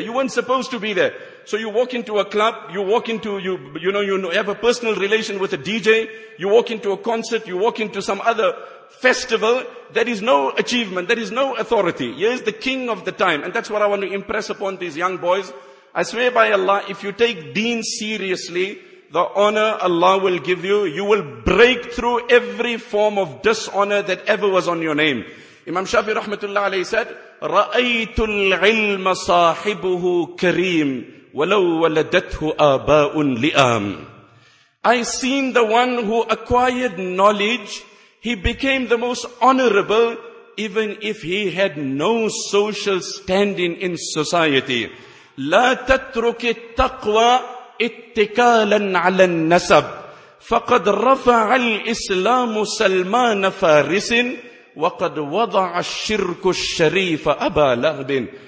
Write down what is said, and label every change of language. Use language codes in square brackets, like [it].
[en] You weren't supposed to be there. So you walk into a club, you walk into, you have a personal relation with a DJ, you walk into a concert, you walk into some other festival, that is no achievement, that is no authority. Here's the king of the time. And that's what I want to impress upon these young boys. I swear by Allah, if you take deen seriously, the honor Allah will give you, you will break through every form of dishonor that ever was on your name. Imam Shafi rahmatullah alayhi said, [ar] رَأَيْتُ الْعِلْمَ صَاحِبُهُ كَرِيمٌ وَلَوْ وَلَدَتْهُ آبَاءٌ لِآمٌ. [en] I seen the one who acquired knowledge, he became the most honorable, even if he had no social standing in society. [ar] لَا تَتْرُكِ التَّقْوَى اتِّكَالًا عَلَى النَّسَبِ فَقَدْ رَفَعَ الْإِسْلَامُ سَلْمَانَ فَارِسٍ وَقَدْ وَضَعَ الشِّرْكُ الشَّرِيفَ أَبَا لَهْبٍ.